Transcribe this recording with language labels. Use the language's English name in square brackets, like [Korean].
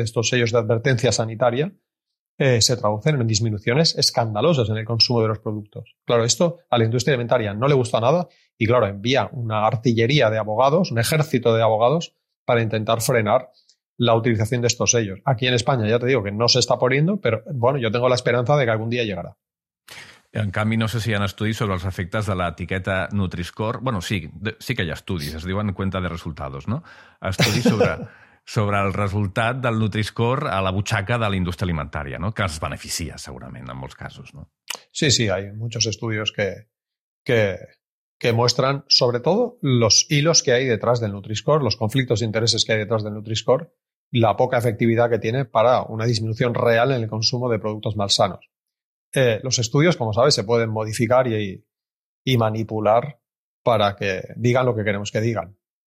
[Spanish] De estos sellos de advertencia sanitaria, se traducen en disminuciones escandalosas en el consumo de los productos. Claro, esto a la industria alimentaria no le gusta nada y, claro, envía una artillería de abogados, un ejército de abogados, para intentar frenar la utilización de estos sellos. Aquí en España ya te digo que no se está poniendo, pero bueno, yo tengo la esperanza de que algún día llegará. [Catalan] En canvi, no sé si hi ha estudis sobre els efectes de l'etiqueta Nutri-Score. Bueno, sí que hi ha estudis, es diuen [Spanish] cuenta de resultados, [Catalan] no? Estudis sobre el resultat del Nutri-Score a la butxaca de la indústria alimentària, no? Que els beneficia, segurament, en molts casos, no? [Spanish] Sí, sí, hay muchos estudios que muestran, sobre todo, los hilos que hay detrás del Nutri-Score, los conflictos de intereses que hay detrás del Nutri-Score, la poca efectividad que tiene para una disminución real en el consumo de productos malsanos. Los estudios, como sabes, se pueden modificar y manipular para que digan lo que queremos que digan.